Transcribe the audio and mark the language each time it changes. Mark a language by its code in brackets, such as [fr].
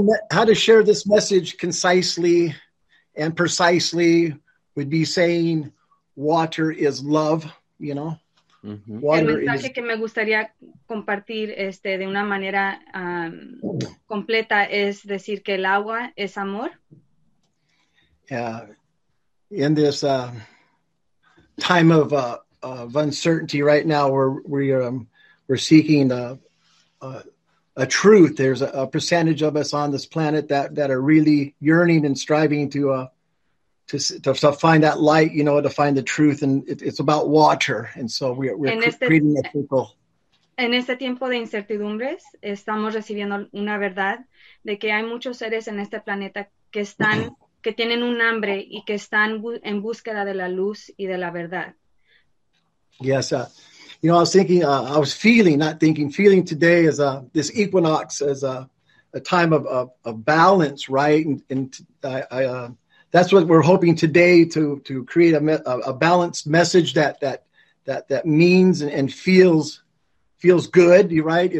[en] How to share this message concisely and precisely would be saying water is love, you know? Mm-hmm. [es] El mensaje que me gustaría compartir de una manera completa es decir que el agua es amor. [en] In this time of uncertainty right now, we're seeking a truth. There's a percentage of us on this planet that are really yearning and striving to find that light, you know, to find the truth, and it's about water, and so we're creating a circle. [es] En este tiempo de incertidumbres, estamos recibiendo una verdad de que hay muchos seres en este planeta que están que tienen un hambre y que están en búsqueda de la luz y de la verdad. [en] Yes, you know, I was thinking, I was feeling, not thinking, feeling today as this equinox as a time of balance, right? And that's what we're hoping today to create a balanced message that means and feels good, right?